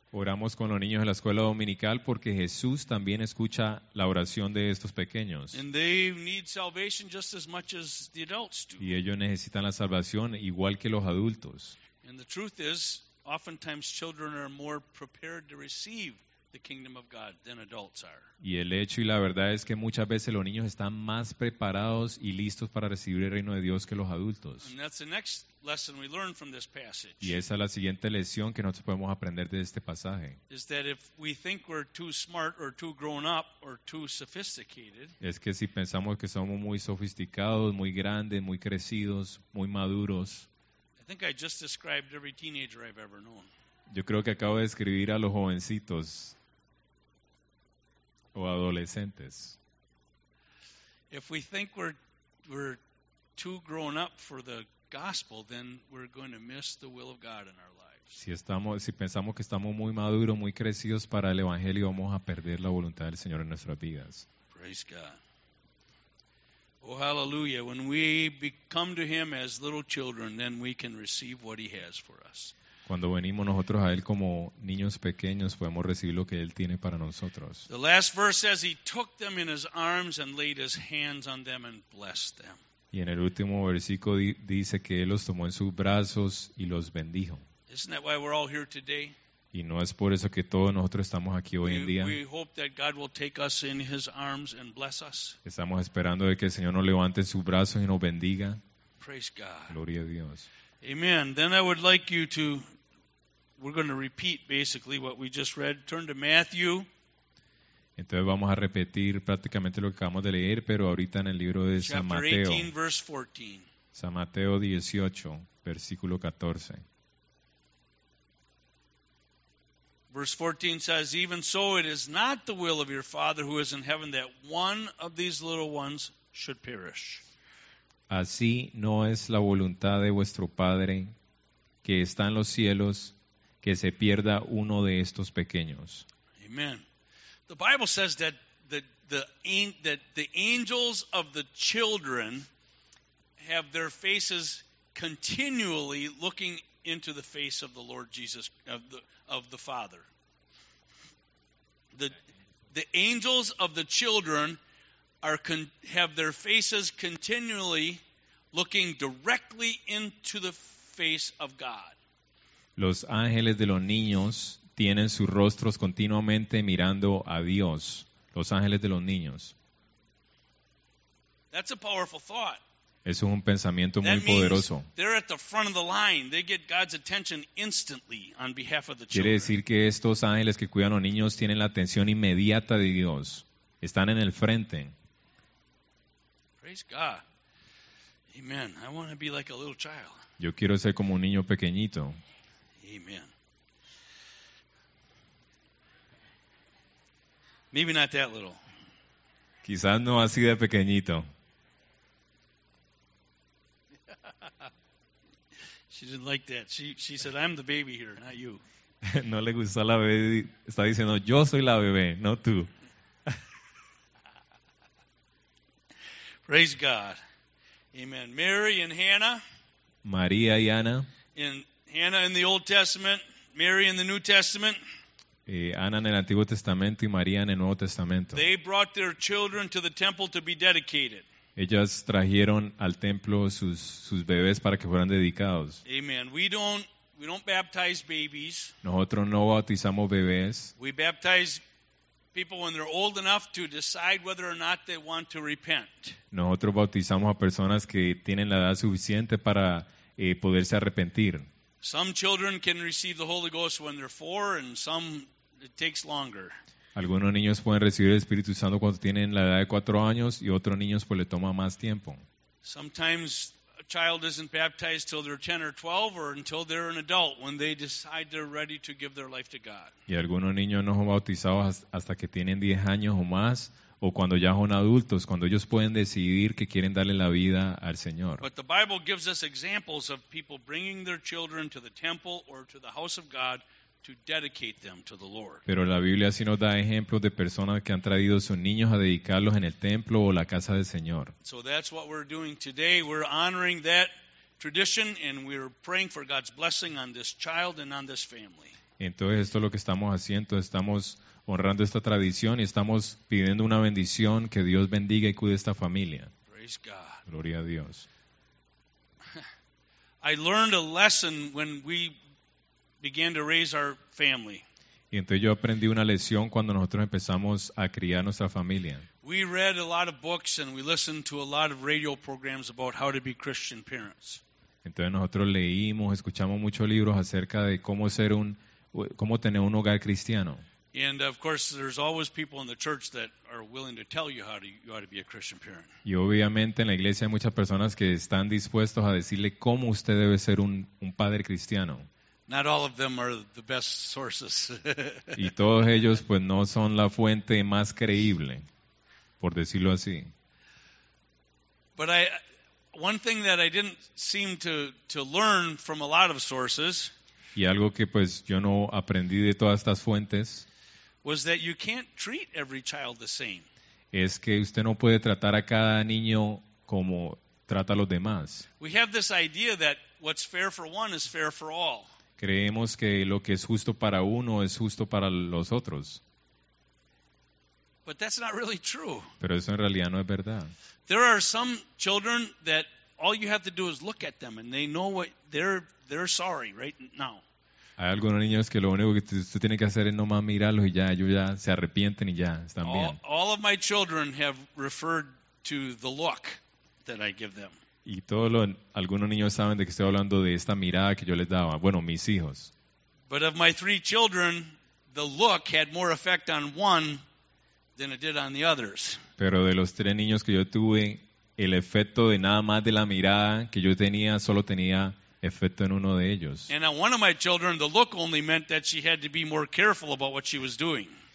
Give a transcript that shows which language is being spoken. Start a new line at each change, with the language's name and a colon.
Spanish: Oramos con los niños en la escuela dominical porque Jesús también escucha la oración de estos pequeños.
English: And they need salvation just as much as the adults do.
Spanish: Y ellos necesitan la salvación igual que los adultos.
English: And the truth is, oftentimes children are more prepared to receive the kingdom of God than adults are.
Spanish: Y el hecho y la verdad es que muchas veces los niños están más preparados y listos para recibir el reino de Dios que los adultos.
English: And that's the next lesson we learn from this passage.
Spanish: Y esa es la siguiente lección que nosotros podemos aprender de este pasaje.
English: Is that if we think we're too smart or too grown up or too sophisticated?
Spanish: Es que si pensamos que somos muy sofisticados, muy grandes, muy crecidos, muy maduros.
English: I think I just described every teenager I've ever known.
Spanish: Yo creo que acabo de describir a los jovencitos o adolescentes.
English: If we think we're too grown up for the gospel, then we're going to miss the will of God in our lives.
Spanish: Si pensamos que estamos muy maduros, muy crecidos para el evangelio, vamos a perder la voluntad del Señor en nuestras vidas.
English: Praise God. Oh, hallelujah. When we come to him as little children, then we can receive what he has for us.
Spanish: Cuando venimos nosotros a él como niños pequeños, podemos recibir lo que él tiene para nosotros.
English: The last verse says he took them in his arms and laid his hands on them and blessed them.
Spanish: Y en el último versículo dice que él los tomó en sus brazos y los bendijo.
English: Isn't that why we're all here today?
Spanish: Y no es por eso que todos nosotros estamos aquí hoy en día.
English: We hope that God will take us in his arms and bless us.
Spanish: Estamos esperando de que el Señor nos levante en sus brazos y nos bendiga.
English: Praise God.
Spanish: Gloria a Dios.
English: Amen. Then I would like you to, we're going to repeat basically what we just read. Turn to Matthew.
Spanish: Entonces vamos a repetir prácticamente lo que acabamos de leer, pero ahorita en el libro de
English: chapter
Spanish: San Mateo.
English: 18, verse 14.
Spanish: San Mateo 18, versículo 14.
English: Verse 14 says, "Even so, it is not the will of your Father who is in heaven that one of these little ones should perish."
Spanish: Así no es la voluntad de vuestro Padre que está en los cielos que se pierda uno de estos pequeños.
English: Amen. The Bible says that the angels of the children have their faces continually looking into the face of the Lord Jesus of the Father. The angels of the children have their faces continually looking directly into the face of God.
Spanish: Los ángeles de los niños tienen sus rostros continuamente mirando a Dios. Los ángeles de los niños.
English: That's a powerful thought.
Spanish: Eso es un pensamiento
English: that
Spanish: muy poderoso.
English: They're at the front of the line. They get God's attention instantly on behalf of the children.
Spanish: Quiere decir que estos ángeles que cuidan a los niños tienen la atención inmediata de Dios. Están en el frente.
English: Praise God. Amen. I want to be like a little child.
Spanish: Yo quiero ser como un niño pequeñito.
English: Amen. Maybe not that little.
Spanish: Quizás no así de pequeñito.
English: She didn't like that. She said, "I'm the baby here, not you."
Spanish: No le gustó la bebé. Está diciendo, yo soy la bebé, no tú.
English: Praise God. Amen. Mary and Hannah.
Spanish: María y Ana.
English: And Hannah in the Old Testament. Mary in the New Testament.
Spanish: Ana en el Antiguo Testamento y María en el Nuevo Testamento.
English: They brought their children to the temple to be dedicated.
Spanish: Ellas trajeron al templo sus bebés para que fueran dedicados.
English: Amen. We don't baptize babies.
Spanish: Nosotros no bautizamos bebés.
English: We baptize people when they're old enough to decide whether or not they want to repent.
Spanish: Nosotros bautizamos a personas que tienen la edad suficiente para poderse arrepentir.
English: Some children can receive the Holy Ghost when they're 4, and some it takes longer.
Spanish: Algunos niños pueden recibir el Espíritu Santo cuando tienen la edad de 4 años y otros niños pues le toma más tiempo.
English: Sometimes a child isn't baptized till they're 10 or 12 or until they're an adult when they decide they're ready to give their life to God.
Spanish: Y algunos niños no son bautizados hasta que tienen 10 años o más o cuando ya son adultos, cuando ellos pueden decidir que quieren darle la vida al Señor.
English: But the Bible gives us examples of people bringing their children to the temple or to the house of God to dedicate them to the Lord.
Spanish: Pero la Biblia sí nos da ejemplos de personas que han traído sus niños a dedicarlos en el templo o la casa del Señor.
English: So that's what we're doing today. We're honoring that tradition and we're praying for God's blessing on this child and on this family.
Spanish: Entonces esto es lo que estamos haciendo, estamos honrando esta tradición y estamos pidiendo una bendición que Dios bendiga y cuide esta familia.
English: Praise God.
Spanish: Gloria a Dios.
English: I learned a lesson when we began to raise our family.
Spanish: Y entonces yo aprendí una lección cuando nosotros empezamos a criar nuestra familia.
English: We read a lot of books and we listened to a lot of radio programs about how to be Christian parents.
Spanish: Entonces nosotros leímos, escuchamos muchos libros acerca de cómo tener un hogar cristiano.
English: And of course there's always people in the church that are willing to tell you how to be a Christian parent.
Spanish: Y obviamente en la iglesia hay muchas personas que están dispuestos a decirle cómo usted debe ser un padre cristiano.
English: Not all of them are the best sources.
Spanish: Y todos ellos pues no son la fuente más creíble, por decirlo así.
English: But one thing that I didn't seem to learn from a lot of sources.
Spanish: Y algo que pues yo no aprendí de todas estas fuentes.
English: Was that you can't treat every child the same.
Spanish: Es que usted no puede tratar a cada niño como trata a los demás.
English: We have this idea that what's fair for one is fair for all.
Spanish: Creemos que lo que es justo para uno es justo para los otros.
English: But that's not really true.
Spanish: Pero eso en realidad no es verdad.
English: There are some children that all you have to do is look at them and they know what they're sorry right now.
Spanish: Hay algunos niños que lo único que usted tiene que hacer es nomás mirarlos y ya ellos ya se arrepienten y ya están bien.
English: All of my children have referred to the look that I give them.
Spanish: Y algunos niños saben de que estoy hablando de esta mirada que yo les daba. Bueno, mis hijos.
English: But of my 3 children, the look had more effect on one than it did on the others.
Spanish: Pero de los 3 niños que yo tuve, el efecto de nada más de la mirada que yo tenía solo tenía efecto en uno de ellos.
English: And on one of my children, the look only meant that she had to be more careful about what she was doing.